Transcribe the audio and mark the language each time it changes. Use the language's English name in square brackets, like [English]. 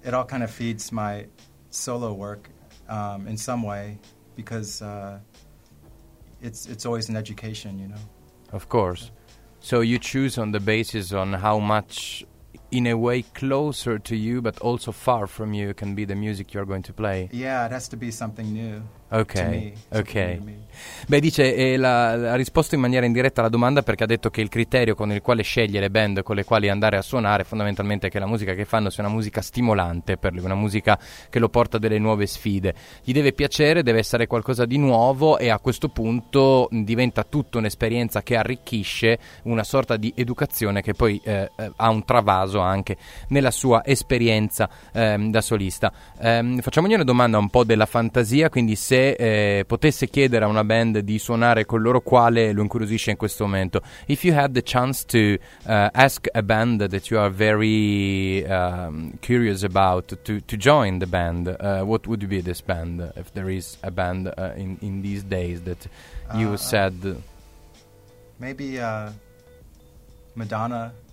[English] It all kind of feeds my solo work in some way because it's always an education, you know. Of course. So you choose on the basis on how much, in a way, closer to you, but also far from you, can be the music you're going to play. Yeah, it has to be something new. Okay. [Italian] Beh, dice, ha risposto in maniera indiretta alla domanda perché ha detto che il criterio con il quale sceglie le band con le quali andare a suonare fondamentalmente è che la musica che fanno sia una musica stimolante per lui, una musica che lo porta a delle nuove sfide. Gli deve piacere, deve essere qualcosa di nuovo e a questo punto diventa tutta un'esperienza che arricchisce, una sorta di educazione che poi ha un travaso anche nella sua esperienza da solista. Facciamogli una domanda un po' della fantasia, quindi se potesse chiedere a una band di suonare con loro, quale lo incuriosisce in questo momento? [English] If you had the chance to ask a band that you are very curious about to join the band, what would be this band, if there is a band in these days that you said? Maybe Madonna.